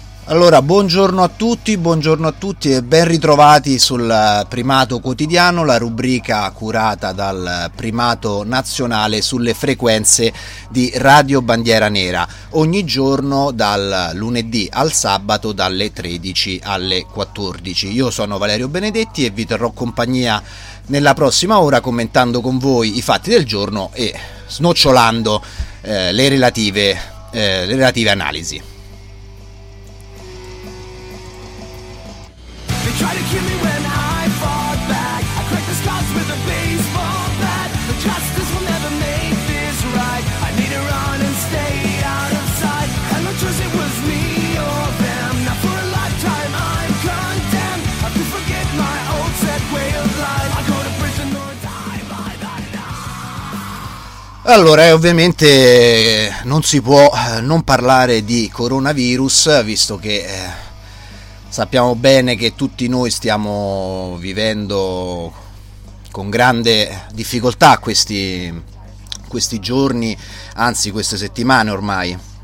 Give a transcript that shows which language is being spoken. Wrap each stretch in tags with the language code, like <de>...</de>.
<it>Allora, buongiorno a tutti e ben ritrovati sul Primato Quotidiano, la rubrica curata dal Primato Nazionale sulle frequenze di Radio Bandiera Nera, ogni giorno dal lunedì al sabato dalle 13 alle 14. Io sono Valerio Benedetti e vi terrò compagnia nella prossima ora commentando con voi i fatti del giorno e snocciolando le relative analisi.</it> <en>Try to kill me when I fought back. I cracked the scars with a baseball bat. The justice will never make this right. I need to run and stay out of sight. And no choice, it was me or them. Now for a lifetime I'm condemned. I have to forget my old set way of life. I go to prison or die by the night.</en> <it>Allora, ovviamente non si può non parlare di coronavirus, visto che sappiamo bene che tutti noi stiamo vivendo con grande difficoltà questi giorni, anzi queste settimane ormai.</it>